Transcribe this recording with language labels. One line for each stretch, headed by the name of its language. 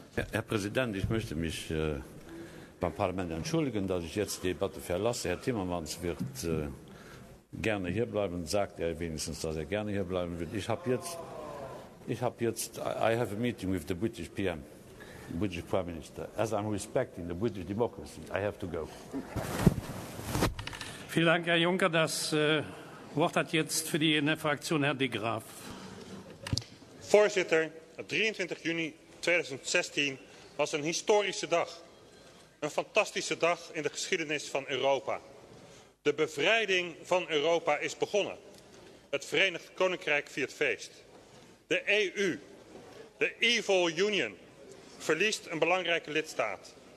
German: Herr Präsident, ich möchte mich beim Parlament entschuldigen, dass ich jetzt die Debatte verlasse. Herr Timmermans wird gerne hierbleiben, sagt er wenigstens, dass er gerne hierbleiben wird.
English: I have a meeting with the British PM, British Prime Minister. As I'm respecting the British democracy, I have to go.
German: Vielen Dank, Herr Juncker. Das Wort hat jetzt für die EN-Fraktion Herr de Graaf.
Dutch: Voorzitter, 23 juni 2016 was een historische dag. Een fantastische dag in de geschiedenis van Europa. De bevrijding van Europa is begonnen. Het Verenigd Koninkrijk viert feest. De EU, de Evil Union, verliest een belangrijke lidstaat.